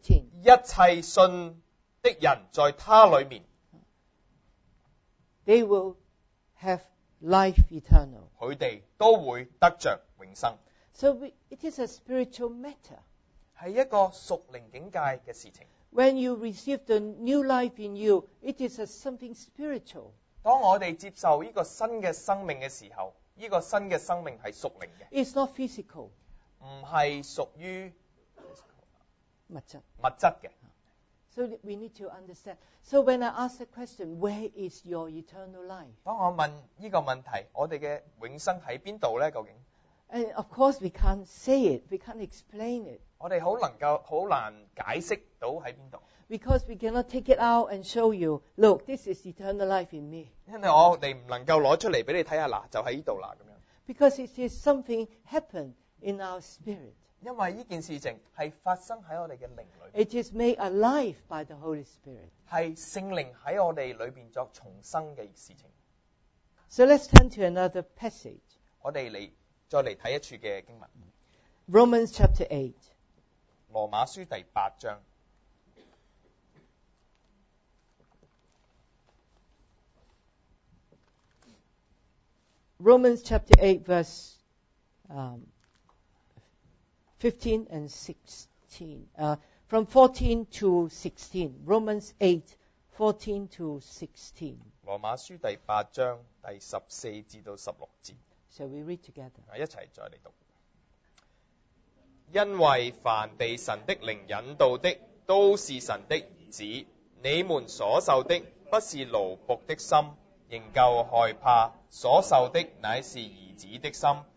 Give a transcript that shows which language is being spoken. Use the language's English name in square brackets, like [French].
[Chinese] 一切信的人在他里面 [English] ，They will have life eternal. [Chinese] 他们都会得着永生。 [English] So it is a spiritual matter. [Chinese] 是一个属灵境界的事情。 [English] When you receive the new life in you, it is something spiritual. [Chinese] 当我们接受这个新的生命的时候，这个新的生命是属灵的。 [English] It's not physical. [Chinese] 不是属于物质的。 [English] So we need to understand. So when I ask the question, where is your eternal life? [Chinese] 当我问这个问题，我们的永生在哪里呢？究竟？ [English] And of course we can't say it, we can't explain it. [Chinese] 我们很难解释到在哪里。 [English] Because we cannot take it out and show you, look, this is eternal life in me. [Chinese] 因为我们不能够拿出来给你看，就在这里了。 [English] Because it is something happened in our spirit. [Chinese] 因为这件事情是发生在我们的灵里面。 [English] It is made alive by the Holy Spirit. [Chinese] 是圣灵在我们里面作重生的事情。 [English] So let's turn to another passage. [Chinese] 我们再来看一处的经文。 [English] Romans chapter 8. [Chinese] 罗马书第八章。 [English] Romans chapter 8 verse 15 and 16, from 14 to 16, Romans 8, 14 to 16. [Chinese] 罗马书第八章第十四至到十六节。 [English] Shall we read together? [Chinese] 一起再来读。因为凡被神的灵引导的，都是神的儿子。你们所受的不是奴仆的心，仍旧害怕；所受的乃是儿子的心。